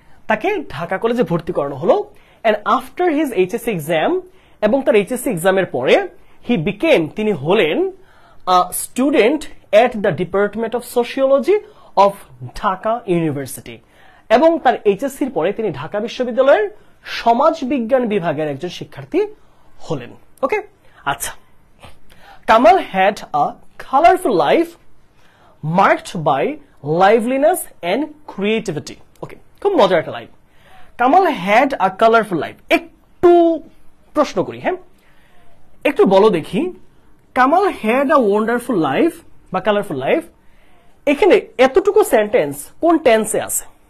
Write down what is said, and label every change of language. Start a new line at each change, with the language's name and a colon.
Bangla: তাকে ঢাকা কলেজে ভর্তি করানো হলো
English: and after his HSC exam
Bangla: এবং তার এইচএসসি এক্সামের পরে
English: he became
Bangla: তিনি হলেন
English: student at the department of sociology of Dhaka university
Bangla: এবং তার এইচএসসি এর পরে তিনি ঢাকা বিশ্ববিদ্যালয়ের সমাজ বিজ্ঞান বিভাগের একজন শিক্ষার্থী হলেন ওকে আচ্ছা
English: Kamal had a colourful life marked by liveliness and creativity. Okay,
Bangla: খুব মজার একটা line.
English: Kamal had a colourful life.
Bangla: একটু প্রশ্ন করি, হ্যাঁ একটু বলো দেখি,
English: Kamal had a wonderful life বা colourful life,
Bangla: এখানে এতটুকু সেন্টেন্স কোন টেন্সে আছে?